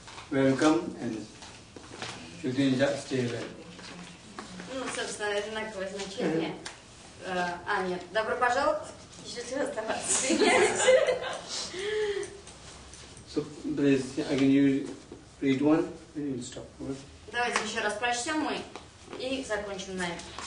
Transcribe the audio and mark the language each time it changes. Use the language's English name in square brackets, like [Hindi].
[English] Welcome and Shudinja, stay well. [Russian] Ну, собственно, одинаковое значение. А, нет, добро пожаловать, счастливо оставаться. [English] So, please, again, you read one and you stop. Right? [Russian] Давайте еще раз прочтем мы и закончим на этом.